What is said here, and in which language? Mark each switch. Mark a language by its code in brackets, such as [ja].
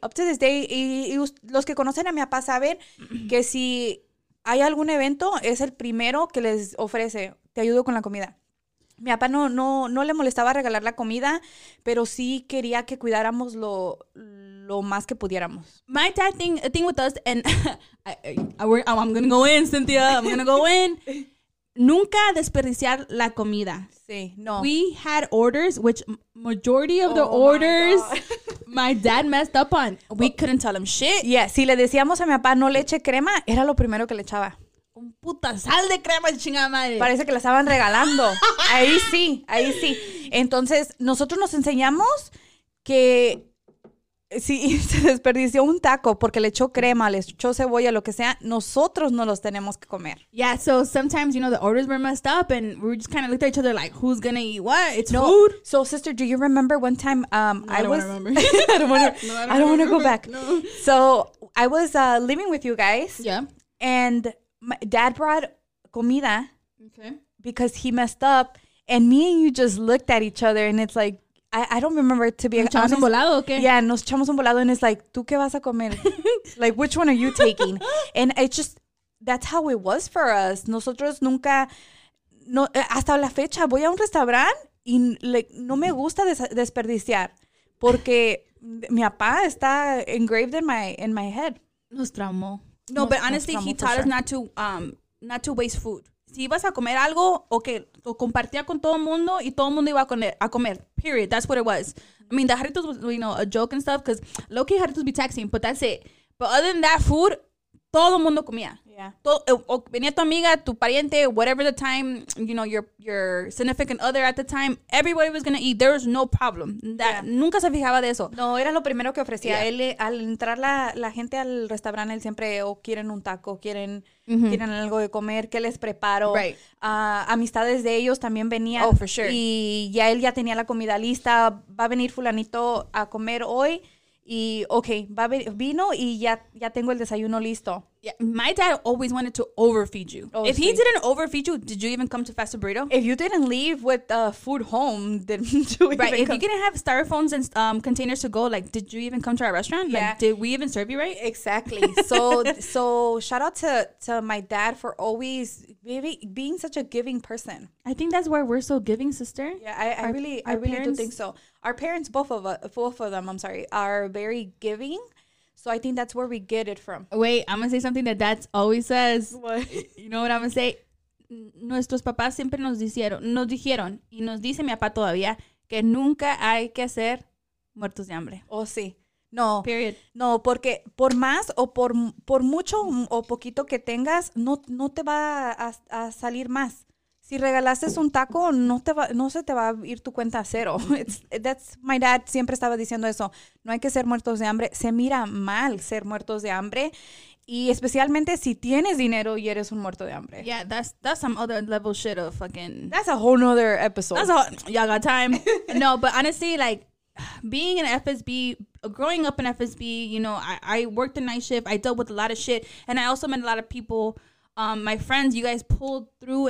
[es] Y los que conocen a mi papá saben que si hay algún evento, es el primero que les ofrece. Te ayudo con la comida. Mi papá no le molestaba regalar la comida, pero sí quería que cuidáramos lo más que pudiéramos. [en] My dad thing with us, and I'm gonna go in, Cynthia. I'm gonna go in. [es] Nunca desperdiciar la comida. Sí, no. [en] We had orders, which majority of the orders, my dad messed up on. We couldn't tell him shit. [es] Yeah, si le decíamos a mi papá no le eche crema, era lo primero que le echaba. Un puta sal de crema, chingada madre. Parece que la estaban regalando. Ahí sí. Entonces, nosotros nos enseñamos que si se desperdició un taco porque le echó crema, le echó cebolla, lo que sea, nosotros no los tenemos que comer. [en] Yeah, so sometimes, you know, the orders were messed up and we just kind of looked at each other like, who's gonna eat what? It's no food. So, sister, do you remember one time? I don't want to go back. No. So, I was living with you guys. Yeah. And my dad brought comida because he messed up. And me and you just looked at each other and it's like, I don't remember to be [es] honest. ¿Echamos un volado o qué? [en] Yeah, [es] nos echamos un volado [en] and it's like, [es] ¿tú qué vas a comer? [en] Like, which one are you taking? And it's just, that's how it was for us. [es] Nosotros nunca, no, hasta la fecha, voy a un restaurante y like, no me gusta desperdiciar porque mi papá está [en] engraved in my head. [es] Nos traumó. [en] No, but honestly, he taught us not to waste food. [es] Si ibas a comer algo, okay, lo compartía con todo el mundo y todo el mundo iba a comer, period. [en] That's what it was. I mean, the jarritos was, you know, a joke and stuff, because low-key jarritos be taxing, but that's it. But other than that food, [es] todo el mundo comía. [en] Yeah. [es] Venía tu amiga, tu pariente, [en] whatever the time, you know, your significant other at the time, everybody was going to eat. There was no problem. [es] Nunca se fijaba de eso. No, era lo primero que ofrecía. Yeah. Al entrar la gente al restaurante, él siempre, quieren un taco, quieren algo de comer, ¿qué les preparo? [en] Right. [es] Amistades de ellos también venían. [en] Oh, for sure. [es] Y ya él ya tenía la comida lista. Va a venir fulanito a comer hoy. Y, okay, vino y ya tengo el desayuno listo. [en] Yeah, my dad always wanted to overfeed you. Oh, if he didn't overfeed you, did you even come to Fast Burrito? If you didn't leave with food home, didn't you right, if you didn't have styrofoams and containers to go, like, did you even come to our restaurant? Yeah. Like, did we even serve you right? Exactly. So, so shout out to my dad for always being such a giving person. I think that's why we're so giving, sister. Yeah, I really parents, do think so. Our parents, both of them, I'm sorry, are very giving. So I think that's where we get it from. Wait, I'm going to say something that dad always says. What? You know what I'm going to say? [es] Nuestros papás siempre nos dijeron, y nos dice mi papá todavía, que nunca hay que ser muertos de hambre. Oh, sí. No. [en] Period. [es] No, porque por más o por mucho o poquito que tengas, no te va a salir más. Si regalaste un taco, no se te va a ir tu cuenta a cero. [en] My dad [es] siempre estaba diciendo eso. No hay que ser muertos de hambre. Se mira mal ser muertos de hambre. Y especialmente si tienes dinero y eres un muerto de hambre. [en] Yeah, that's some other level shit of fucking... That's a whole nother episode. That's a whole... Y'all got time. No, but honestly, like, being in FSB, growing up in FSB, you know, I worked a night shift. I dealt with a lot of shit. And I also met a lot of people. My friends, you guys pulled through.